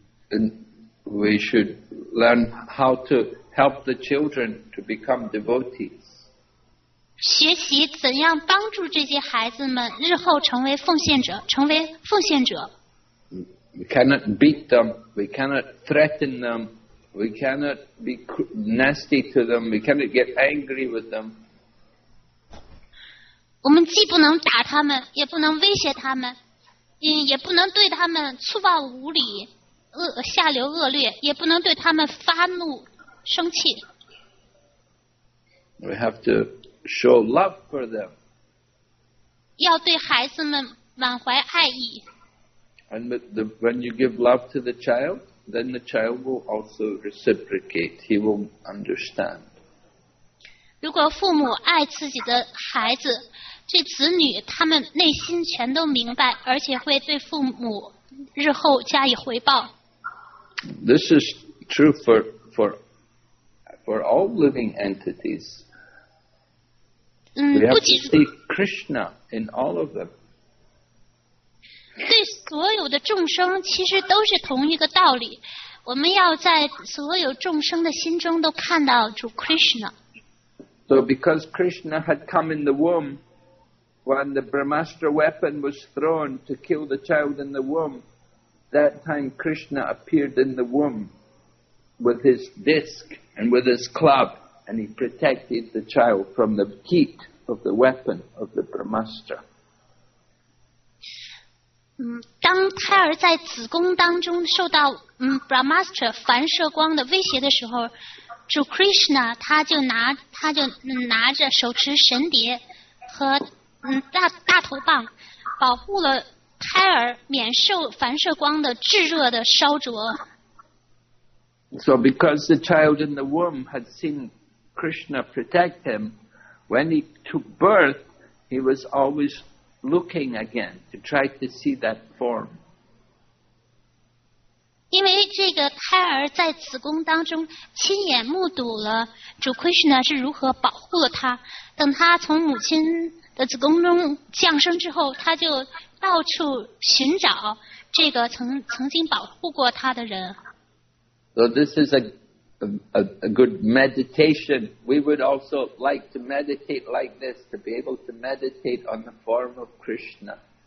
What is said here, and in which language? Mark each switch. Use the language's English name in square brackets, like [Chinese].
[English] We should learn how to help the children to become devotees. [Chinese] 学习怎样帮助这些孩子们日后成为奉献者，成为奉献者。 [English] We cannot beat them, we cannot threaten them, we cannot be nasty to them, we cannot get angry with them. [Chinese] 我们既不能打他们，也不能威胁他们，也不能对他们粗暴无礼、下流恶劣，也不能对他们发怒、生气。 [English] We have to show love for them. [Chinese] 要对孩子们满怀爱意。 [English] And when you give love to the child, then the child will also reciprocate. He will understand. [Chinese] 如果父母爱自己的孩子，这子女他们内心全都明白，而且会对父母日后加以回报。 [English] This is true for all living entities. We have to see Krishna in all of them. [Chinese] 对所有的众生其实都是同一个道理，我们要在所有众生的心中都看到主 Krishna。 [English] So because Krishna had come in the womb when the Brahmastra weapon was thrown to kill the child in the womb, that time Krishna appeared in the womb with his disc and with his club, and he protected the child from the heat of the weapon of the Brahmastra. [Chinese] 当胎儿在子宫当中受到Brahmastra 反射光的威胁的时候，主 Krishna 他就拿着手持神碟和大头棒，保护了胎儿免受反射光的炙热的烧灼。 [English] So because the child in the womb had seen Krishna protect him, when he took birth, he was always looking again to try to see that form. [Chinese] 因为这个胎儿在子宫当中亲眼目睹了主 Krishna 是如何保护了他，等他从母亲的子宫中降生之后，他就到处寻找这个曾经保护过他的人。 [English] So this is a good meditation. We would also like to meditate like this, to be able to meditate on the form of Krishna.